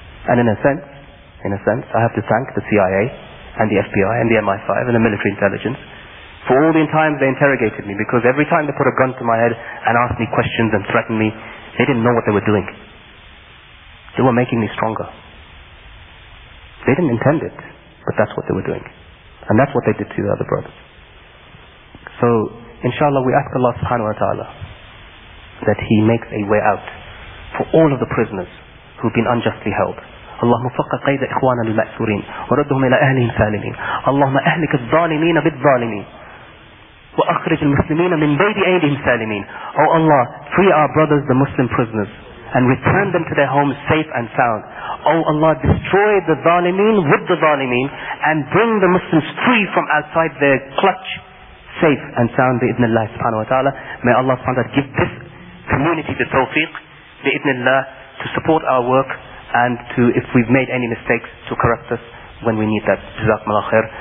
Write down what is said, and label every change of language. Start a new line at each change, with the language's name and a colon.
English: And in a sense, I have to thank the CIA and the FBI and the MI5 and the military intelligence for all the time they interrogated me, because every time they put a gun to my head and asked me questions and threatened me, they didn't know what they were doing. They were making me stronger. They didn't intend it. But that's what they were doing. And that's what they did to the other brothers. So, inshallah, we ask Allah subhanahu wa ta'ala that He makes a way out for all of the prisoners who've been unjustly held.
Arabic: اللهم فق قيد إخوانا المأسورين وردهم إلى أهلهم سالمين اللهم أهلك الظالمين بالظالمين وأخرج المسلمين من بيت أيديهم سالمين.
English: Oh Allah, free our brothers, the Muslim prisoners, and return them to their homes safe and sound. Oh Allah, destroy the zalimeen with the zalimeen, and bring the Muslims free from outside their clutch, safe and sound, bi-idhnillah subhanahu wa ta'ala. May Allah subhanahu wa ta'ala give this community the tawfiq, bi-idhnillah, to support our work, and to, if we've made any mistakes, to correct us when we need that. Jazakumullah khair.